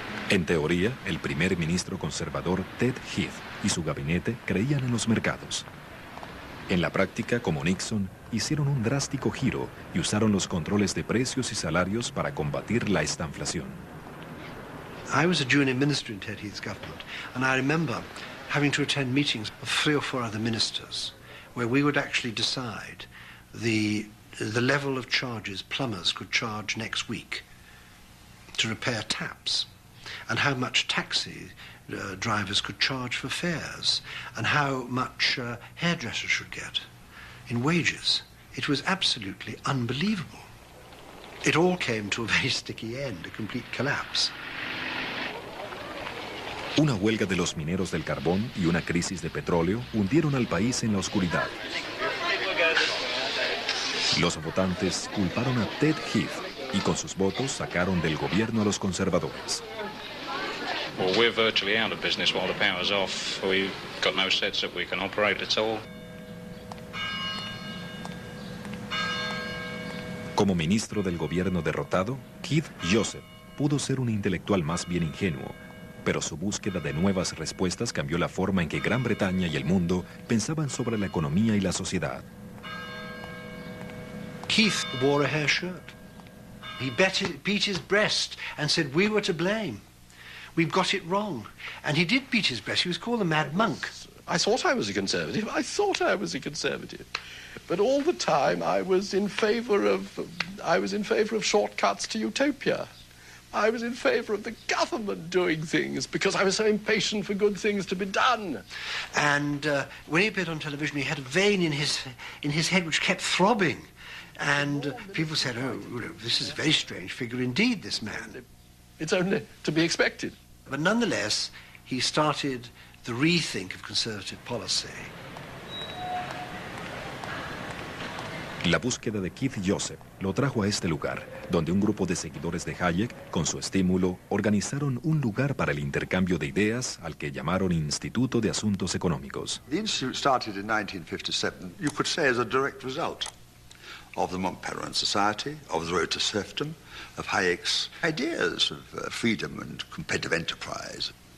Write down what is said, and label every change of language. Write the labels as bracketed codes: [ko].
[es] En teoría, el primer ministro conservador Ted Heath y su gabinete creían en los mercados. En la práctica, como Nixon, hicieron un drástico giro y usaron los controles de precios y salarios para combatir la estanflación. [en] I was a junior minister in Ted Heath's government, and I remember having to attend meetings of three or four other ministers where we would actually decide the level of charges plumbers could charge next week to repair taps, and how much taxi drivers could charge for fares, and how much hairdressers should get in wages. It was absolutely unbelievable. It all came to a very sticky end, a complete collapse. [es] Una huelga de los mineros del carbón y una crisis de petróleo hundieron al país en la oscuridad. Los votantes culparon a Ted Heath y con sus votos sacaron del gobierno a los conservadores. [en] Well, we're virtually out of business while the power's off. We've got no sets that we can operate at all. [es] Como ministro del gobierno derrotado, Keith Joseph pudo ser un intelectual más bien ingenuo, pero su búsqueda de nuevas respuestas cambió la forma en que Gran Bretaña y el mundo pensaban sobre la economía y la sociedad. [en] Keith wore a hair shirt. He beat his breast and said, "We were to blame. We've got it wrong." And he did beat his breast. He was called a mad monk. I thought I was a conservative. But all the time I was in favor of shortcuts to utopia. I was in favor of the government doing things because I was so impatient for good things to be done. And when he appeared on television, he had a vein in his head which kept throbbing. And people said, this is a very strange figure indeed, this man. It's only to be expected. But nonetheless, he started the rethink of conservative policy. [es] La búsqueda de Keith Joseph lo trajo a este lugar, donde un grupo de seguidores de Hayek, con su estímulo, organizaron un lugar para el intercambio de ideas al que llamaron Instituto de Asuntos Económicos. [en] The institute started in 1957, you could say, as a direct result of the Montparnasse Society, of the Road to Serfdom, of Hayek's ideas of freedom and competitive enterprise.